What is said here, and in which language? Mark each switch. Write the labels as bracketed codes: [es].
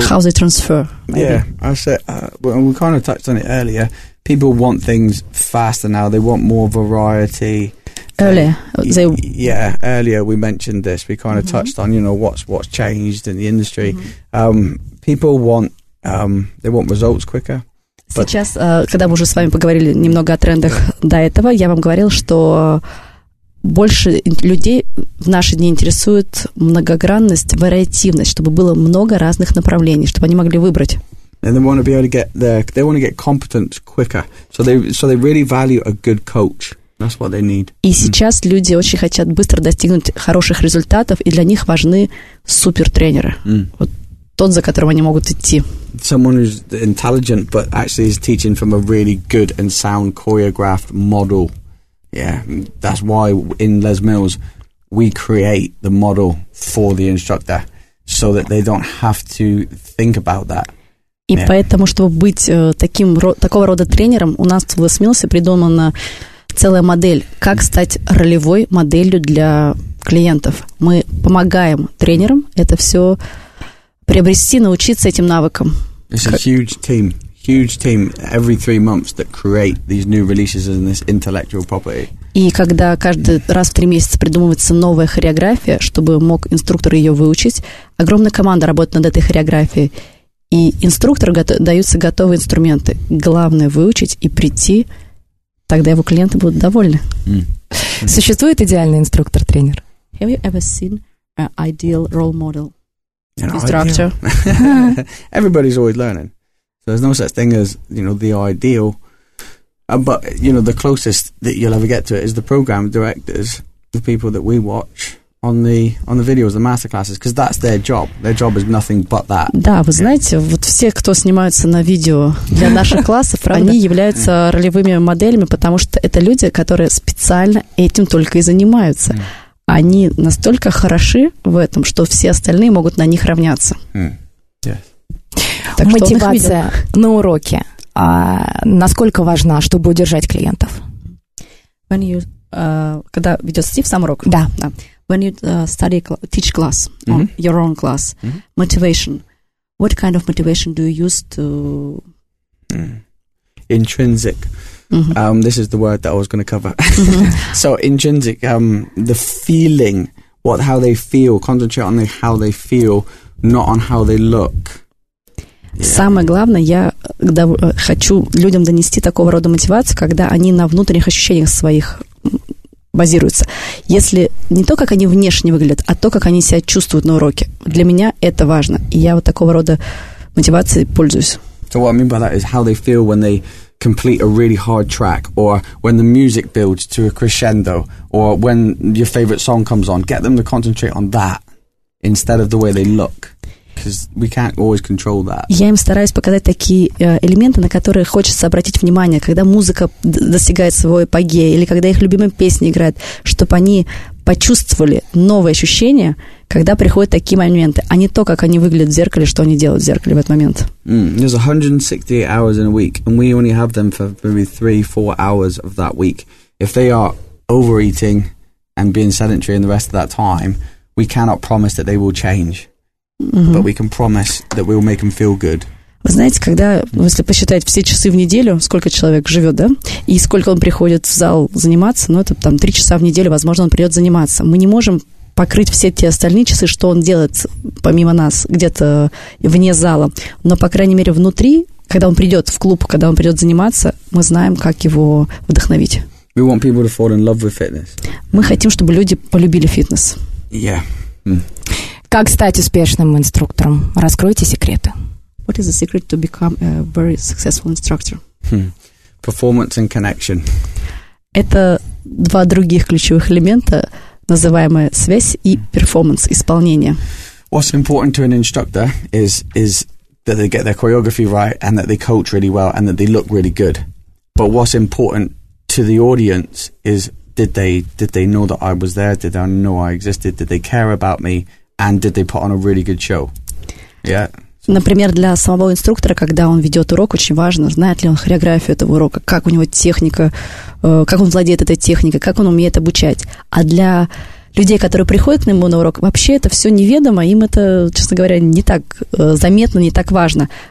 [en] how they transfer? Maybe? Yeah, I said we kind of touched on it earlier. People want things faster now. They want more variety. Earlier, Earlier we mentioned this. We kind of touched on, you know, what's changed in the industry. People want they want results quicker. [ru] Сейчас, когда мы уже с вами поговорили немного о трендах до этого, я вам говорил, что больше людей в наши дни интересует многогранность, вариативность, чтобы было много разных направлений, чтобы они могли выбрать. [en] And they want to be able to get they want to get competence quicker. So they really value a good coach. That's what they need. [ru] И сейчас люди очень хотят быстро достигнуть хороших результатов, и для них важны супертренеры. Вот тот, за которым они могут идти. [en] Someone who's intelligent, but actually is teaching from a really good and sound choreographed model. Yeah, that's why in Les Mills we create the model for the instructor so that they don't have to think about that. [ru] И поэтому, чтобы быть такого рода тренером, у нас в Les Mills придумана целая модель, как стать ролевой моделью для клиентов. Мы помогаем тренерам это все приобрести, научиться этим навыкам. [en] It's a huge team. Huge team every 3 months that create these new releases in this intellectual property. [ru] И когда каждый раз в 3 месяца придумывается новая хореография, чтобы мог инструктор ее выучить, огромная команда работает над этой хореографией, и инструктору даются готовые инструменты. Главное выучить и прийти, тогда его клиенты будут довольны. Существует идеальный инструктор-тренер? [en] Have you ever seen an ideal role model? Instructor? Everybody's always learning. There's no such thing as, you know, the ideal. But, you know, the closest that you'll ever get to it is the program directors, the people that we watch on the videos, the masterclasses, because that's their job. Their job is nothing but that. [ru] Да, вы знаете, вот все, кто снимаются на видео для наших классов, они являются ролевыми моделями, потому что это люди, которые специально этим только и занимаются. Они настолько хороши в этом, что все остальные могут на них равняться. [en] Yes. [ru] Так мотивация на уроке, насколько важна, чтобы удержать клиентов? [en] When you, [ru] когда ведет Стив сам урок? Да. [en] When you study, teach class, your own class, motivation, what kind of motivation do you use to... Intrinsic. This is the word that I was going to cover. So intrinsic, the feeling, how they feel, concentrate on how they feel, not on how they look. [ru] Самое главное, я хочу людям донести такого рода мотивацию, когда они на внутренних ощущениях своих базируются. Если не то, как они внешне выглядят, а то, как они себя чувствуют на уроке. Для меня это важно. И я вот такого рода мотивацией пользуюсь. [en] So what I mean by that is how they feel when they complete a really hard track, or when the music builds to a crescendo, or when your favorite song comes on. Get them to concentrate on that instead of the way they look. Because we can't always control that. [ru] Я им стараюсь показать такие элементы, на которые хочется обратить внимание, когда музыка достигает своего апогея, или когда их любимая песня играет, чтобы они почувствовали новые ощущения, когда приходят такие моменты, а не то, как они выглядят в зеркале, что они делают в зеркале в этот момент. [en] There's 168 hours in a week, and we only have them for maybe 3-4 hours of that week. If they are overeating and being sedentary in the rest of that time, we cannot promise that they will change. But we can promise that we'll make them feel good. [ru] Вы знаете, когда, если посчитать все часы в неделю, сколько человек живет, да, и сколько он приходит в зал заниматься, ну, это там 3 часа в неделю, возможно, он придет заниматься. Мы не можем покрыть все те остальные часы, что он делает помимо нас, где-то вне зала. Но, по крайней мере, внутри, когда он придет в клуб, когда он придет заниматься, мы знаем, как его вдохновить. [en] We want people to fall in love with fitness. [ru] Мы хотим, чтобы люди полюбили фитнес. [en] Yeah. [ru] Как стать успешным инструктором? Раскройте секреты. [en] What is the secret to become a very successful instructor? performance and connection. [ru] Это два других ключевых элемента, называемые связь и перформанс, исполнение. [en] What's important to an instructor is that they get their choreography right and that they coach really well and that they look really good. But what's important to the audience is did they know that I was there? Did they know I existed? Did they care about me? And did they put on a really good show? Yeah. [ru] Например, для самого инструктора, когда он ведет урок, очень важно, знает ли он хореографию этого урока, как у него техника, как он владеет этой техникой, как он умеет обучать. А для людей, которые приходят к нему на урок, вообще это все неведомо, им это, честно говоря, не так заметно, не так важно.